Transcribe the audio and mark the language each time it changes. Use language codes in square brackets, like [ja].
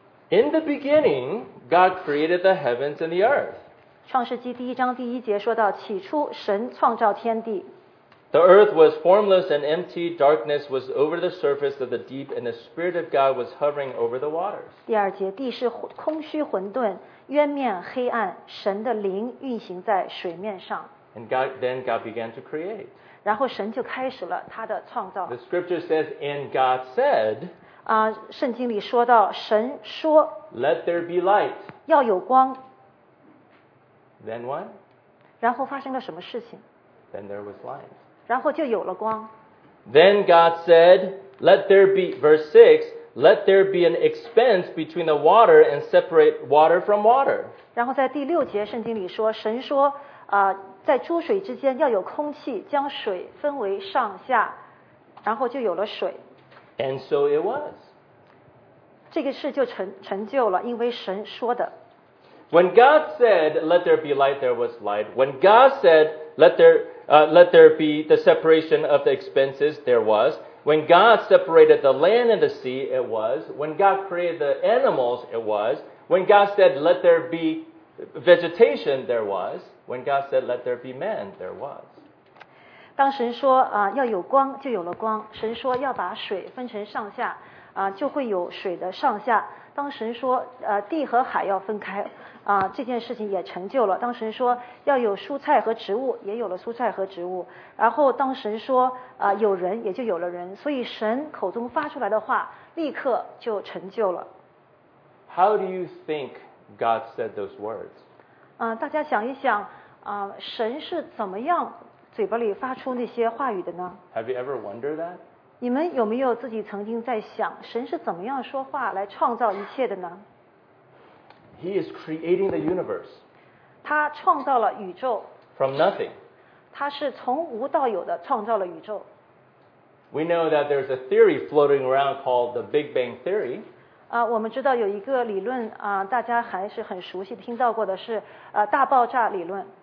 [en] In the beginning, God created the heavens and the earth. [zh] 创世纪第一章第一节说到，起初神创造天地。 [en] The earth was formless and empty. Darkness was over the surface of the deep, and the Spirit of God was hovering over the waters. [zh] 第二节，地是空虚混沌，渊面黑暗，神的灵运行在水面上。 [en] And God, then God began to create. [zh] 然后神就开始了他的创造。 [en] The scripture says, and God said, [zh] 圣经里说到，神说， [en] Let there be light. [zh] 要有光。 [en] Then what? [zh] 然后发生了什么事情？ [en] Then there was light. [zh] 然后就有了光。 [en] Then God said, "Let there be verse 6, let there be an expanse between the water and separate water from water." [zh] 然后在第六节圣经里说，神说，在诸水之间要有空气，将水分为上下，然后就有了水。 [en] And so it was. [zh] 这个事就成就了，因为神说的。 [en] When God said, "Let there be light," there was light. When God said, let there be the separation of the expanses, there was. When God separated the land and the sea, it was. When God created the animals, it was. When God said, let there be vegetation, there was. When God said, let there be man, there was. [zh] 当神说，要有光，就有了光。神说要把水分成上下，就会有水的上下。当神说，地和海要分开，这件事情也成就了。当神说要有蔬菜和植物，也有了蔬菜和植物。然后当神说，有人，也就有了人。所以神口中发出来的话，立刻就成就了。 [en] How do you think God said those words? [zh] 大家想一想，神是怎么样嘴巴里发出那些话语的呢？ [en] Have you ever wondered that? [zh] 你们有没有自己曾经在想，神是怎么样说话来创造一切的呢？ [en] He is creating the universe. [zh] 他创造了宇宙。 [en] From nothing. [zh] 他是从无到有的创造了宇宙。 [en] We know that there's a theory floating around called the Big Bang Theory. [zh] 我们知道有一个理论，大家还是很熟悉听到过的是，大爆炸理论。